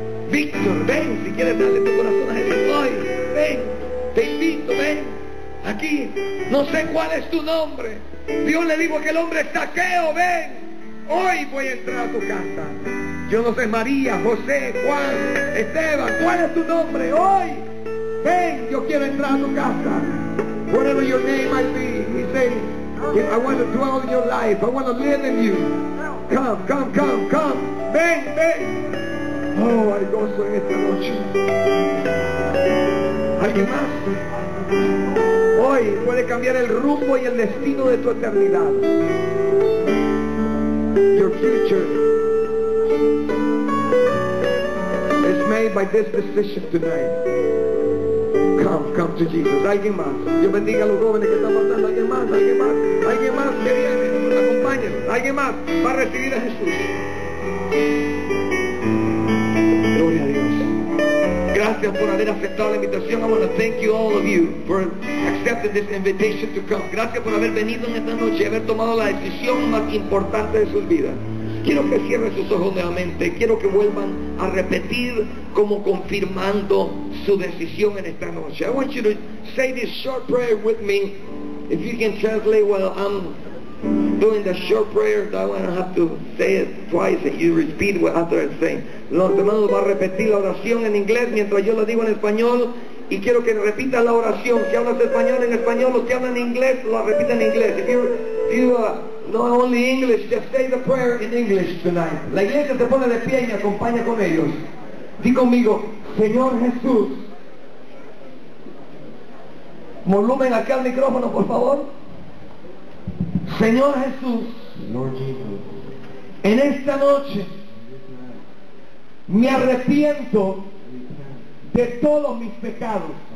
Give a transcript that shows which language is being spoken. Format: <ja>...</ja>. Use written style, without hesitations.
<es>Víctor, ven, si quieres darle tu corazón a Jesús hoy. Ven, te invito, ven. Aquí, no sé cuál es tu nombre. Dios le dijo que el hombre es Zaqueo, ven. Hoy voy a entrar a tu casa. Yo no sé, María, José, Juan, Esteban, ¿cuál es tu nombre? Hoy, ven, yo quiero entrar a tu casa.</es> <en>Whatever your name might be, he said, I want to dwell in your life, I want to live in you. Come.</en> <es>Ven. Oh, hay gozo en esta noche. ¿Alguien más? Hoy puede cambiar el rumbo y el destino de tu eternidad.</es> <en>Your future is made by this decision tonight. Come to Jesus.</en> <es>Alguien más. Dios bendiga a los jóvenes que están pasando. Alguien más que viene. Acompáñenos. Alguien más va a recibir a Jesús. Gracias por haber aceptado la invitación.</es> <en>I want to thank you all of you for accepting this invitation to come.</en> <es>Gracias por haber venido en esta noche y haber tomado la decisión más importante de sus vidas. Quiero que cierren sus ojos nuevamente. Quiero que vuelvan a repetir como confirmando su decisión en esta noche.</es> <en>I want you to say this short prayer with me. If you can translate while I'm doing the short prayer, I don't want to have to say it twice and you repeat what after I say.</en> <es>Los hermanos van a repetir la oración en inglés mientras yo la digo en español, y quiero que repitas la oración. Si hablas español, en español. O si hablas en inglés, lo repita en inglés.</es> <en>If you not only English, just say the prayer in English tonight.</en> <es>La iglesia se pone de pie y acompaña con ellos. Di conmigo, Señor Jesús. Volumen acá al micrófono, por favor. Señor Jesús,</es> <en>Lord Jesus,</en> <es>en esta noche me arrepiento de todos mis pecados.</es>